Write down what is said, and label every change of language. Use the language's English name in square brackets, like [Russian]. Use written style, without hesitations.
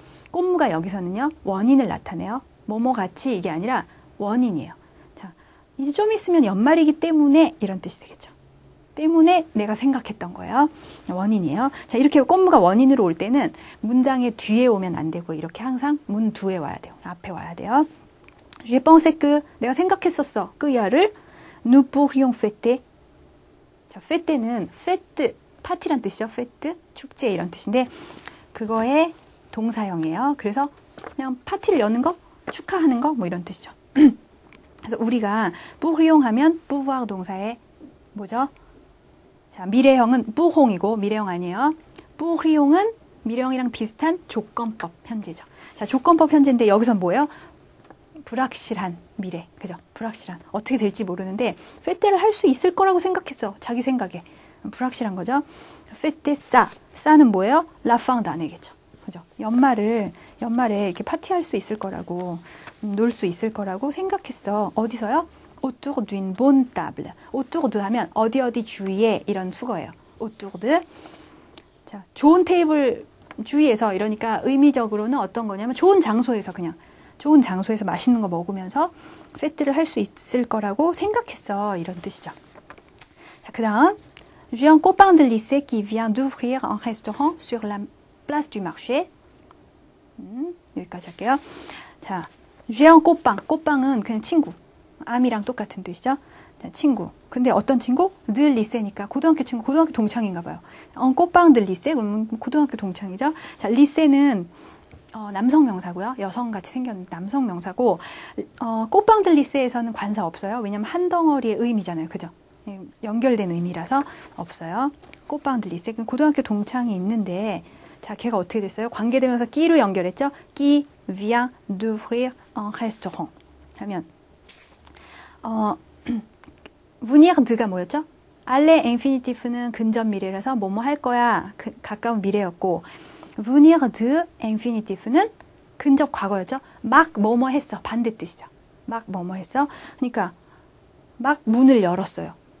[Korean] 꽃무가 여기서는요, 원인을 나타내요. 뭐뭐 같이 이게 아니라 원인이에요. 자, 이제 좀 있으면 연말이기 때문에 이런 뜻이 되겠죠. 때문에 내가 생각했던 거예요. 원인이에요. 자, 이렇게 꽃무가 원인으로 올 때는 문장의 뒤에 오면 안 되고, 이렇게 항상 문 두에 와야 돼요. 앞에 와야 돼요. [French] Je pensais que, [Korean] 내가 생각했었어. 그 야를, [French] nous pourrions fêter. [Korean] 자, fêter는 fête, 파티란 뜻이죠. fête, 축제 이런 뜻인데, 그거의 동사형이에요. 그래서 그냥 파티를 여는 거, 축하하는 거, 뭐 이런 뜻이죠. 그래서 우리가 pourrions 하면, pouvoir 동사의 뭐죠? 자, 미래형은 뿌홍이고 미래형 아니에요. 뿌리용은 미래형이랑 비슷한 조건법 현재죠. 자, 조건법 현재인데 여기서 뭐예요? 불확실한 미래. 그죠? 불확실한. 어떻게 될지 모르는데 페테를 할수 있을 거라고 생각했어. 자기 생각에. 불확실한 거죠. 페테 싸. 싸는 뭐예요? 라팡 다네겠죠. 그죠? 연말에 이렇게 파티할 수 있을 거라고, 놀수 있을 거라고 생각했어. 어디서요? [French] autour d'une bonne table. [Korean] autour de 하면 어디 어디 주위에 이런 수거예요. [French] autour de. [Korean] 자, 좋은 테이블 주위에서 이러니까 의미적으로는 어떤 거냐면 좋은 장소에서 그냥 좋은 장소에서 맛있는 거 먹으면서 fête를 할수 있을 거라고 생각했어. 이런 뜻이죠. 자, 그다음 [French] j'ai un copain de lycée qui vient d'ouvrir un restaurant sur la place du marché. [Korean] 여기까지 할게요. 자, [French] j'ai un copain. [Korean] 꽃빵은 그냥 친구. 암이랑 똑같은 뜻이죠? 친구. 근데 어떤 친구? 늘 리세니까 고등학교 친구, 고등학교 동창인가 봐요. 꽃빵 늘 리세? 그러면 고등학교 동창이죠? 자, 리세는 남성 명사고요. 여성 같이 생겼는데 남성 명사고, 꽃빵 들 리세에서는 관사 없어요. 왜냐면 한 덩어리의 의미잖아요. 그죠? 연결된 의미라서 없어요. 꽃빵 들 리세. 고등학교 동창이 있는데, 자, 걔가 어떻게 됐어요? 관계되면서 끼로 연결했죠? [French] 끼 vient d'ouvrir un restaurant. [Korean] 하면, venir de가 뭐였죠? aller infinitif는 근접 미래라서 뭐뭐 할 거야. 그 가까운 미래였고, venir de infinitif는 근접 과거였죠? 막 뭐뭐 했어. 반대 뜻이죠. 막 뭐뭐 했어. 그러니까 막 문을 열었어요.